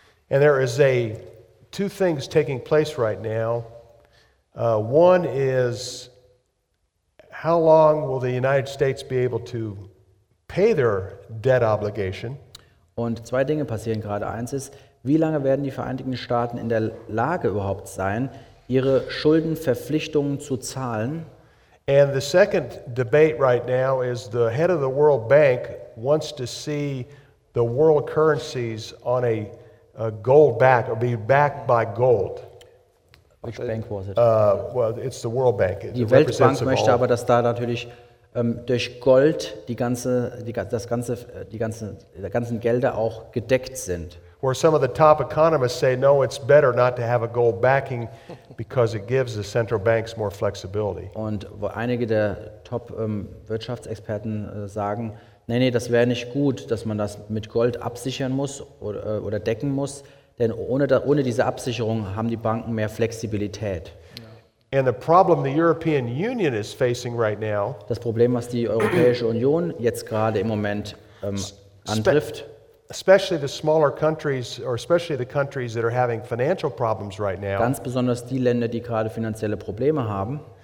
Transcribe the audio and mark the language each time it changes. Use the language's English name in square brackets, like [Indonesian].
[English] And there is two things taking place right now. One is, how long will the United States be able to pay their debt obligation? [German] Und zwei Dinge passieren gerade. Eins ist, wie lange werden die Vereinigten Staaten in der Lage überhaupt sein, ihre Schuldenverpflichtungen zu zahlen? [English] And the second debate right now is the head of the World Bank wants to see the world currencies on a gold back or be backed by gold. Which bank was it? Well, it's the World Bank. [German] Die Weltbank möchte aber, dass da natürlich durch Gold die ganzen Gelder auch gedeckt sind. [English] Where some of the top economists say, no, it's better not to have a gold backing because it gives the central banks more flexibility. [German] Und wo einige der Top Wirtschaftsexperten sagen, nee, das wäre nicht gut, dass man das mit Gold absichern muss oder decken muss, denn ohne diese Absicherung haben die Banken mehr Flexibilität. [English] And the problem the European Union is facing right now, [German] das Problem, was die Europäische Union jetzt gerade im Moment antrifft, [English] especially the smaller countries, or especially the countries that are having financial problems right now. [German] Ganz besonders die Länder, die gerade finanzielle Probleme haben.